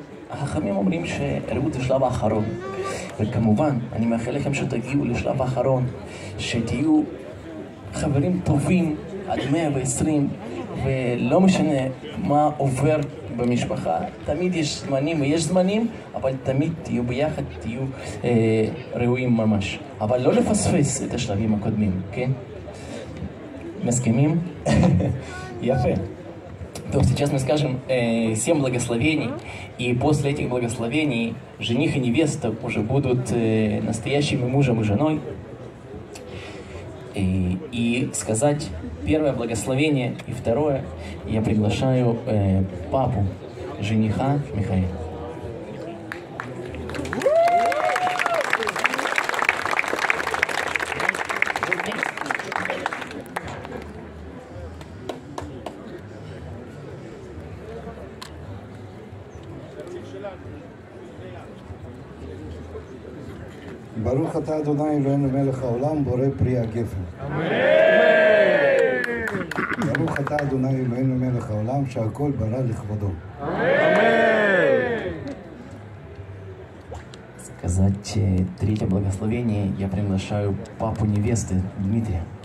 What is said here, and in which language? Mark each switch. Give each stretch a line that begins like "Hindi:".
Hebrew: החכמים אומרים שראות זה שלב האחרון. וכמובן, אני מאחל לכם שתגיעו לשלב האחרון, שתהיו חברים טובים עד 120, ולא משנה מה עובר במשפחה, תמיד יש זמנים ויש זמנים, אבל תמיד תהיו ביחד, תהיו ראויים ממש. אבל לא לפספס את השלבים הקודמים, כן? מסכימים? יפה.
Russian: То сейчас мы скажем семь благословений, и после этих благословений жених и невеста уже будут настоящими мужем и женой. И сказать первое благословение и второе я приглашаю папу жениха Михаила.
Hebrew: ברוך אתה אדוני אלוהינו מלך העולם בורא פרי הגפן. אמן. ברוך אתה אדוני אלוהינו מלך העולם שהכל ברא לכבודו. אמן.
Russian: Сказать третье благословение я приглашаю папу невесты Дмитрия.